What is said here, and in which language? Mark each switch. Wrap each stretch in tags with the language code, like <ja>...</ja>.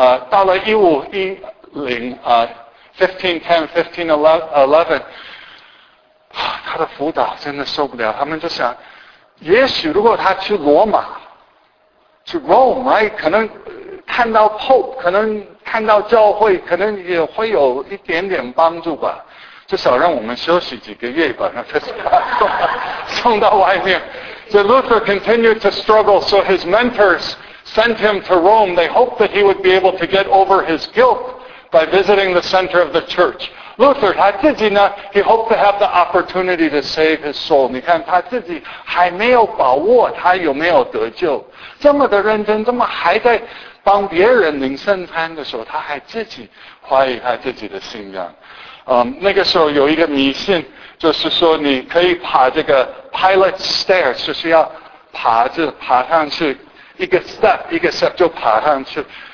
<zh>到了1510, 1511,他的辅导真的受不了，他们就想也许如果他去罗马</zh> <en>to Rome, right?</en> <zh>可能看到 Pope, 可能看到教会，可能也会有一点点帮助吧，至少让我们休息几个月吧，那就是把他送到外面。</zh> <en>So Luther continued to struggle, so his mentors sent him to Rome. They hoped that he would be able to get over his guilt by visiting the center of the church. Luther,</en> <zh>他自己呢,</zh> <en>he hoped to have the opportunity to save his soul.</en> <zh>你看他自己还没有把握他有没有得救。这么的认真，这么还在帮别人领圣餐的时候，他还自己怀疑他自己的信仰。那个时候有一个迷信，就是说你可以爬这个 pilot stairs, 就是要爬着爬上去，一个 step, 一个 step 就爬上去。</zh>